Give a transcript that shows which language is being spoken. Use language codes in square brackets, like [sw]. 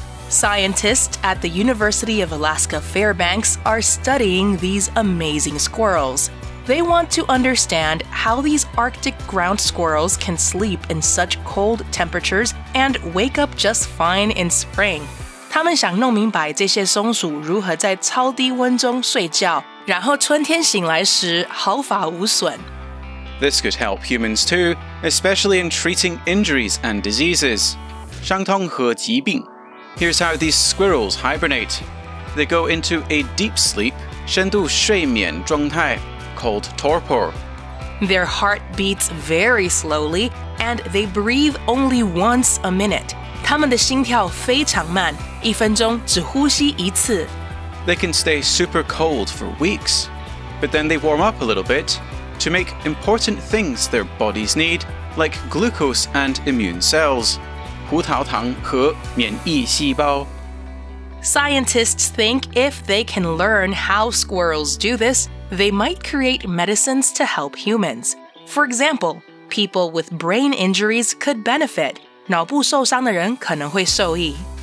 [en] Scientists at the University of Alaska Fairbanks are studying these amazing squirrels. They want to understand how these Arctic ground squirrels can sleep in such cold temperatures and wake up just fine in spring. [zh] 他们想弄明白这些松鼠如何在超低温中睡觉，然后春天醒来时毫发无损。 [en] This could help humans too, especially in treating injuries and diseases. [zh] 伤痛和疾病。 [en] Here's how these squirrels hibernate. They go into a deep sleep, [zh] 深度睡眠状态 [en] cold torpor. Their heart beats very slowly and they breathe only once a minute. [zh] 他们的心跳非常慢，一分钟只呼吸一次。 [en] They can stay super cold for weeks, but then they warm up a little bit to make important things their bodies need, like glucose and immune cells. [zh] 葡萄糖和免疫细胞。 [en] Scientists think if they can learn how squirrels do this, they might create medicines to help humans. For example, people with brain injuries could benefit. [zh] 脑部受伤的人可能会受益。